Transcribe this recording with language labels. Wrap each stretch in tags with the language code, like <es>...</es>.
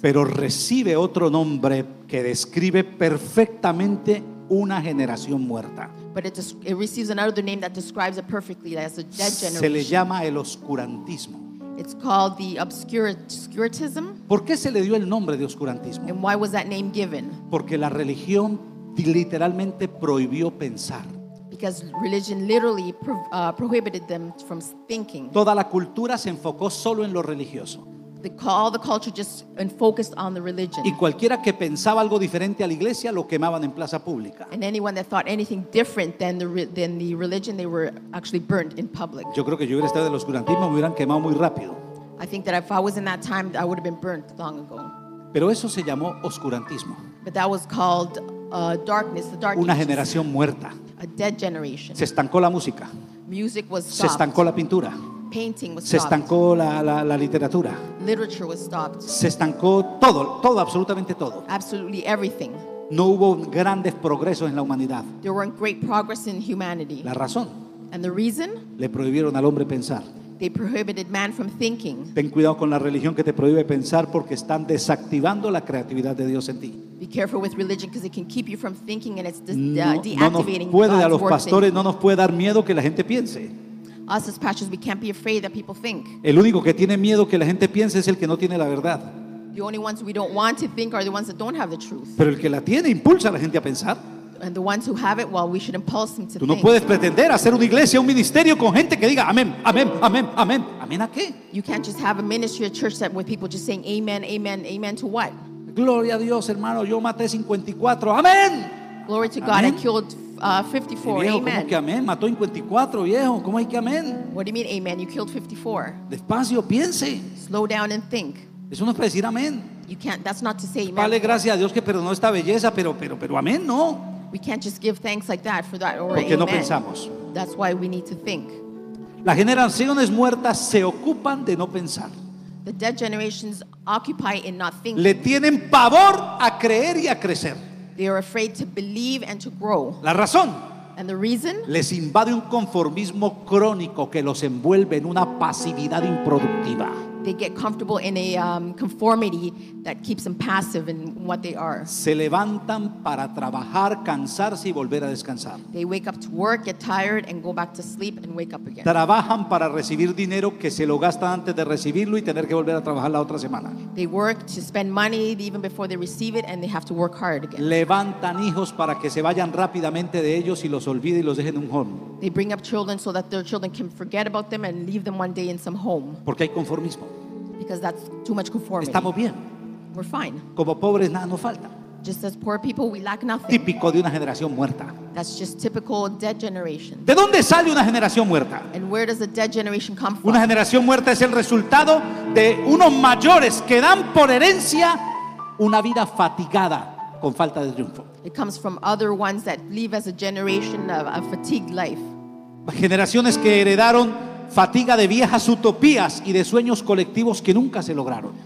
<es>Pero recibe otro nombre que describe perfectamente una generación muerta.</es> <en>But it receives another name that describes it perfectly, that is a dead generation.</en> <es>Se le llama el oscurantismo.</es> <en>It's called the obscurantism.</en> <es>¿Por qué se le dio el nombre de oscurantismo?</es> <en>And why was that name given?</en> <es>Porque la religión literalmente prohibió pensar.</es> <en>Because religion literally prohibited them from thinking.</en> <es>Toda la cultura se enfocó solo en lo religioso.</es> <en>All the culture just focused on the religion.</en> <es>Y cualquiera que pensaba algo diferente a la iglesia lo quemaban en plaza pública.</es> <en>And anyone that thought anything different than the religion, they were actually burned in public.</en> <es>Yo creo que yo hubiera estado del oscurantismo, me hubieran quemado muy rápido.</es> <en>I think that if I was in that time, I would have been burned long ago.</en> <es>Pero eso se llamó oscurantismo.</es> <en>But that was called darkness, the dark.</en> <es>Una generación muerta.</es> <en>A dead generation.</en> <es>Se estancó la música.</es> <en>Music was stopped.</en> <es>Se estancó la pintura.</es> <en>Painting was</en> <es>se estancó</es> <en>stopped.</en> <es>La literatura.</es> <en>Literature was stopped.</en> <es>Se estancó todo, absolutamente todo.</es> <en>Absolutely everything.</en> <es>No hubo grandes progresos en la humanidad.</es> <en>There weren't great progress in humanity.</en> <es>La razón.</es> <en>And the reason?</en> <es>Le prohibieron al hombre pensar.</es> <en>They prohibited man from thinking.</en> <es>Ten cuidado con la religión que te prohíbe pensar porque están desactivando la creatividad de Dios en ti.</es> <en>Be careful with religion because it can keep you from thinking and it's deactivating God's work.</en> <es>No nos puede a los pastores, no nos puede dar miedo que la gente piense.</es> <en>us as pastors, we can't be afraid that people think.</en> <es>El único que tiene miedo que la gente piense es el que no tiene la verdad.</es> <en>The only ones we don't want to think are the ones that don't have the truth.</en> <es>Pero el que la tiene impulsa a la gente a pensar.</es> <en>And the ones who have it, well, we should impulse them to think.</en> <es>Tú no puedes pretender hacer una iglesia, un ministerio con gente que diga amén, amén, amén, amén. ¿Amén a qué?</es> <en>You can't just have a ministry, a church that with people just saying amen, amen, amen to what?</en> <es>Gloria a Dios, hermano, yo maté 54. Amén.</es> <en>Glory to God, amen. I killed 54.</en> <es>Viejo,</es> <en>amen.</en> <es>¿Cómo que amén? Mató 54, viejo. ¿Cómo hay que amén?</es> <en>What do you mean amen? You killed 54.</en> <es>Despacio, piense.</es> <en>Slow down and think.</en> <es>Eso no es para decir amén.</es> <en>You can't, that's not to say amen.</en> <es>Vale, gracias a Dios que perdonó esta belleza, pero amén, no.</es> <en>We can't just give thanks like that for that or</en> <es>porque</es> <en>amen.</en> <es>No pensamos.</es> <en>That's why we need to think.</en> <es>Las generaciones muertas se ocupan de no pensar.</es> <en>The dead generations occupy in not thinking.</en> <es>Le tienen pavor a creer y a crecer.</es> <en>They are afraid to believe and to grow.</en> <es>La razón.</es> <en>And the reason.</en> <es>Les invade un conformismo crónico que los envuelve en una pasividad improductiva.</es> <en>They get comfortable in a conformity that keeps them passive in what they are.</en> <es>Se levantan para trabajar, cansarse y volver a descansar.</es> <en>They wake up to work, get tired, and go back to sleep and wake up again.</en> <es>Trabajan para recibir dinero que se lo gastan antes de recibirlo y tener que volver a trabajar la otra semana.</es> <en>They work to spend money even before they receive it and they have to work hard again.</en> <es>Levantan hijos para que se vayan rápidamente de ellos y los olviden y los dejen en un home.</es> <en>They bring up children so that their children can forget about them and leave them one day in some home.</en> <es>Porque hay conformismo.</es> <en>Because that's too much conformity.</en> <es>Estamos bien.</es> <en>We're fine.</en> <es>Como pobres, nada nos falta.</es> <en>Just as poor people, we lack nothing.</en> <es>Típico de una generación muerta.</es> <en>That's just typical dead generation.</en> <es>¿De dónde sale una generación muerta?</es> <en>And where does a dead generation come from?</en> <es>Una generación muerta es el resultado de unos mayores que dan por herencia una vida fatigada con falta de triunfo.</es> <en>It comes from other ones that leave as a generation of a fatigued life.</en> <es>Generaciones que heredaron fatiga de viejas utopías y de sueños colectivos que nunca se lograron.</es>